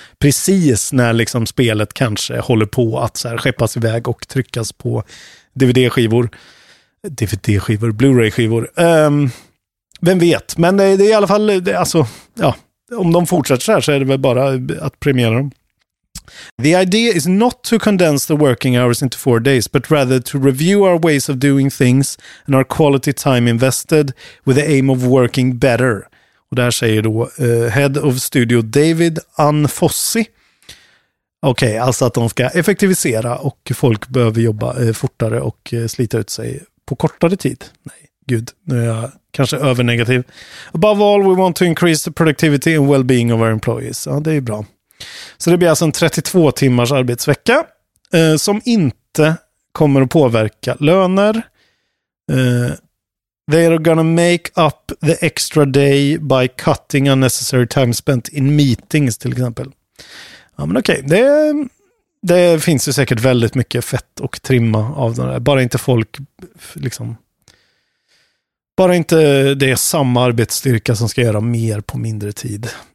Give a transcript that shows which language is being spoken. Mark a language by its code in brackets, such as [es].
[sv] Precis när liksom spelet kanske håller på att så här skeppas iväg och tryckas på DVD-skivor. DVD-skivor, Blu-ray-skivor. Vem vet? Men det är i alla fall, det, alltså, ja, om de fortsätter så här så är det väl bara att premiera dem. [en] "The idea is not to condense the working hours into 4 days, but rather to review our ways of doing things and our quality time invested with the aim of working better." [sv] Och där säger då head of studio David Anfossi. Okej, okay, alltså att de ska effektivisera och folk behöver jobba fortare och slita ut sig på kortare tid. Nej, gud, nu är jag kanske övernegativ. [en] "Above all, we want to increase the productivity and well-being of our employees." [sv] Ja, det är ju bra. Så det blir alltså en 32 timmars arbetsvecka som inte kommer att påverka löner. [en] "They are gonna make up the extra day by cutting unnecessary time spent in meetings," [sv] till exempel. Ja, men okej, okay. Det finns ju säkert väldigt mycket fett och trimma av det där. Bara inte folk liksom, bara inte det samma arbetsstyrka som ska göra mer på mindre tid.